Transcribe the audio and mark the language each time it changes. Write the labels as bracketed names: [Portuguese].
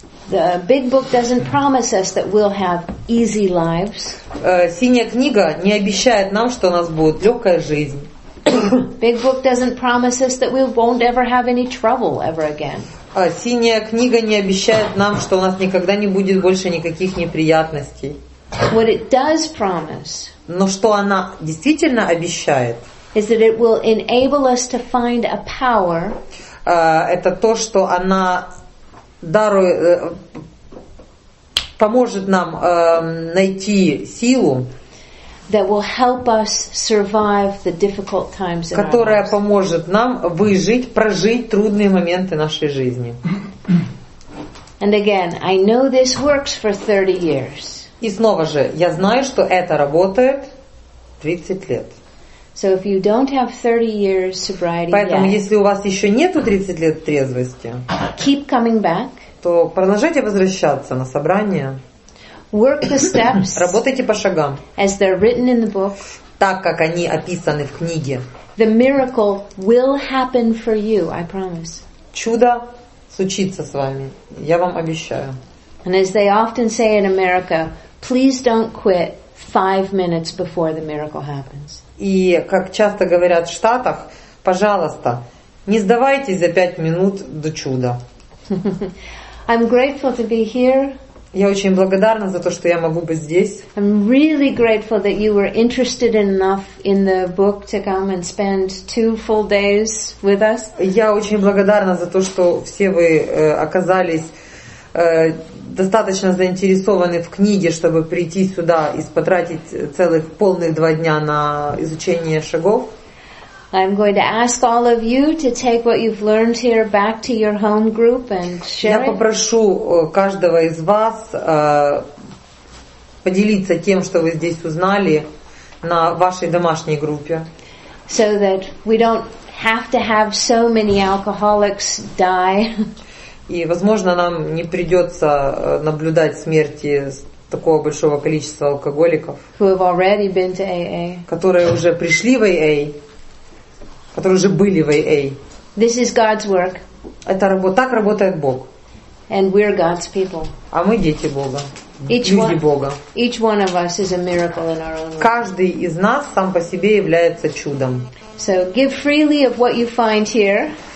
[English] The big book doesn't promise us that we'll have easy lives. [Russian] Синяя книга не обещает нам, что у нас будет легкая жизнь. [English] Big book doesn't promise us that we won't ever have any trouble ever again. [Russian] Синяя книга не обещает нам, что у нас никогда не будет больше никаких неприятностей. [English] What it does promise. [Russian] Но что она действительно обещает? [English] Is that it will enable us to find a power? [Russian] Это то, что она дарует, поможет нам найти силу. [English] That will help us survive the difficult times. [Russian] Которая поможет нам выжить, прожить трудные моменты нашей жизни. [English] And again, I know this works for 30 years. [Russian] И снова же, я знаю, что это работает. 30 лет. [English] So if you don't have 30 years sobriety, [Russian] поэтому [English] yet, [Russian] если у вас еще нету 30 лет трезвости, [English] keep coming back, [Russian] то продолжайте возвращаться на собрание. [English] Work the steps, [Russian] работайте по шагам, [English] as they're written in the book, [Russian] так как они описаны в книге. [English] The miracle will happen for you, I promise. [Russian] Чудо случится с вами, я вам обещаю. [English] And as they often say in America, please don't quit 5 minutes before the miracle happens. [Russian] И как часто говорят в Штатах, пожалуйста, не сдавайтесь за 5 минут до чуда. [English] I'm grateful to be here. [Russian] Я очень благодарна за то, что я могу быть здесь. [English] I'm really grateful that you were interested enough in the book to come and spend 2 full days with us. [Russian] Я очень благодарна за то, что все вы оказались достаточно заинтересованы в книге, чтобы прийти сюда и потратить целых полных 2 дня на изучение шагов. [English] I'm going to ask all of you to take what you've learned here back to your home group and share. [Russian] Я попрошу каждого из вас поделиться тем, что вы здесь узнали, на вашей домашней группе. [English] So that we don't have to have so many alcoholics die. [Russian] И, возможно, нам не придется наблюдать смерти такого большого количества алкоголиков, которые уже пришли в АА, которые уже были в АА. [English] This is God's work. [Russian] Это работа, так работает Бог. [English] And we're God's people. [Russian] А мы дети Бога, [English] each [Russian] люди [English] one, [Russian] Бога. [English] Each one of us is a miracle in our own life. [Russian] Каждый из нас сам по себе является чудом. [English] So give freely of what you find here.